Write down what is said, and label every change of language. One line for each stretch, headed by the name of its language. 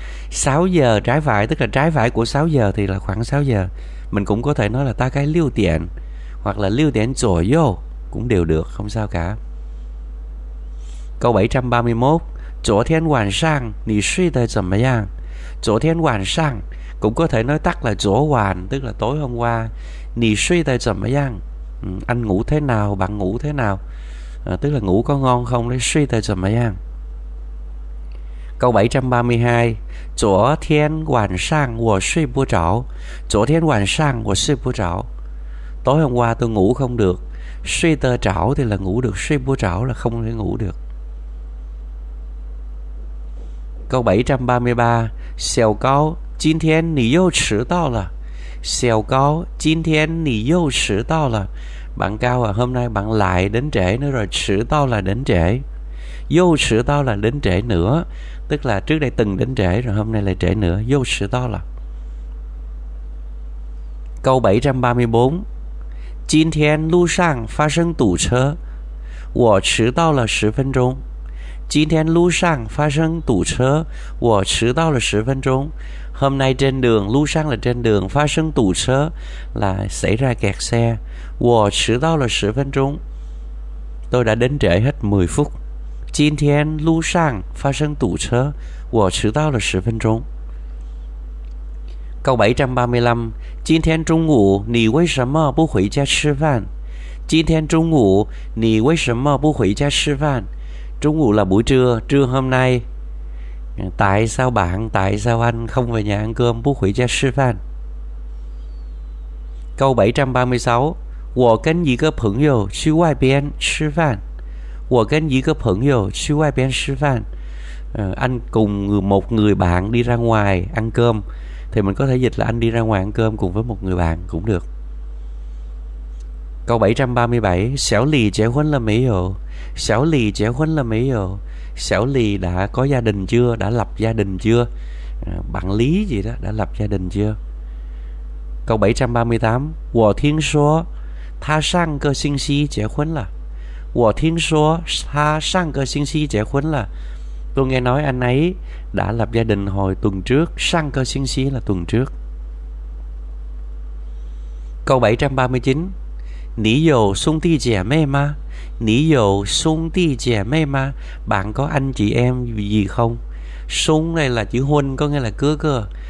Vietnamese: 6 giờ trái phải, tức là trái phải của 6 giờ thì là khoảng 6 giờ. Mình cũng có thể nói là ta cái 6 điện hoặc là 6 điện 左右 cũng đều được, không sao cả. Câu 731,
Chinese: 昨天晚上你睡得怎么样? 昨天晚上
Vietnamese: cũng có thể nói tắt là
Chinese: 昨晚,
Vietnamese: tức là tối hôm qua.
Chinese: 你睡得怎么样?
Vietnamese: Anh ngủ thế nào, bạn ngủ thế nào? Tức là ngủ có ngon không đấy,
Chinese: 睡得怎么样?
Vietnamese: Câu 732,
Chinese: 昨天晚上我睡不着. 昨天晚上我睡不着.
Vietnamese: Tối hôm qua tôi ngủ không được.
Chinese: 睡得着
Vietnamese: thì là ngủ được,
Chinese: 睡不着
Vietnamese: là không thể ngủ được. Câu 733,
Chinese: 小高,今天你又迟到了。
Vietnamese: 小高,今天你又
Chinese: 迟到
Vietnamese: 了。Bạn Cao à, hôm nay bạn lại đến trễ nữa rồi, 迟到 là đến trễ.
Chinese: 又迟到了，
Vietnamese: đến trễ nữa. Tức là trước đây từng đến trễ rồi hôm nay lại trễ nữa.
Chinese: 又迟到了.
Vietnamese: Câu 734.
Chinese: 今天路上发生堵车，我迟到了十分钟。今天路上发生堵车，我迟到了十分钟。
Vietnamese: Hôm nay trên đường,
Chinese: 路上
Vietnamese: là trên đường,
Chinese: 发生堵车
Vietnamese: là xảy ra kẹt xe.
Chinese: 我迟到了十分钟.
Vietnamese: Tôi đã đến trễ hết 10 phút.
Chinese: 今天路上发生堵车，我迟到了十分钟。
Vietnamese: Câu 735.
Chinese: 今天中午你为什么不回家吃饭？今天中午你为什么不回家吃饭？中午
Vietnamese: là buổi trưa, trưa hôm nay. Tại sao bạn, tại sao anh không về nhà ăn cơm, bú hủy gia sư phan? Câu 736.
Chinese: 我跟一个朋友去外边吃饭。我跟一个朋友去外边吃饭。
Vietnamese: Anh cùng một người bạn đi ra ngoài ăn cơm. Thì mình có thể dịch là anh đi ra ngoài ăn cơm cùng với một người bạn cũng được. Câu 737.
Chinese: 小李结婚了没有?小李结婚了没有?
Vietnamese: 小李đã có gia đình chưa? Đã lập gia đình chưa? Bạn Lý gì đó, đã lập gia đình chưa? Câu 738.
Chinese: 我听说他上个星期结婚了. 我听说他上个星期结婚了.
Vietnamese: Tôi nghe nói anh ấy đã lập gia đình hồi tuần trước.
Chinese: 上个星期
Vietnamese: là tuần trước. Câu 739.
Chinese: 你有兄弟姐妹吗? 你有兄弟姐妹吗?
Vietnamese: Bạn có anh chị em gì không? 兄này là chữ huynh, có nghĩa là cơ cơ.